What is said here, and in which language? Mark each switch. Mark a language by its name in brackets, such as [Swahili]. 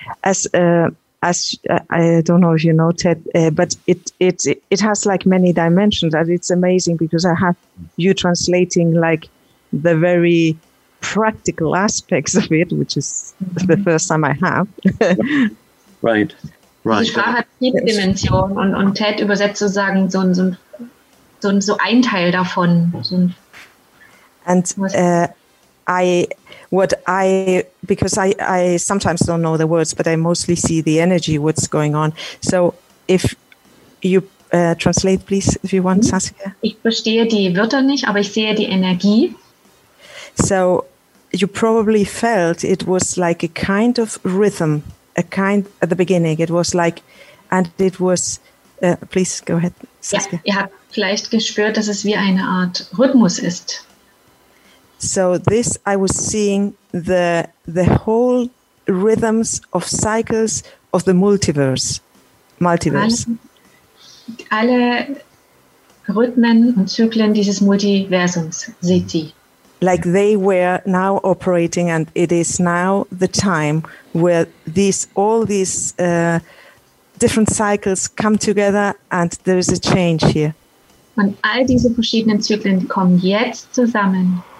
[English] I don't know if you know Ted, but it has like many dimensions, and it's amazing because I have you translating like the very practical aspects of it, which is the first time I have. Right. Right. [German] Die Sprache hat viele Dimensionen und Ted übersetzt sozusagen so ein Teil davon. [English] Because I sometimes don't know the words, but I mostly see the energy, what's going on. So if you translate, please, if you want, Saskia. [German] Ich verstehe die Wörter nicht, aber ich sehe die Energie. [English] So you probably felt it was like a kind of rhythm, a kind at the beginning. It was like, and it was, please go ahead, Saskia. [German] Ja, ihr habt vielleicht gespürt, dass es wie eine Art Rhythmus ist. [English] So this, I was seeing the whole rhythms of cycles of the multiverse. [German] Alle Rhythmen und Zyklen dieses Multiversums, seht sie. [English] Like they were now operating and it is now the time where all these different cycles come together and there is a change here. [German] Und all diese verschiedenen Zyklen kommen jetzt zusammen.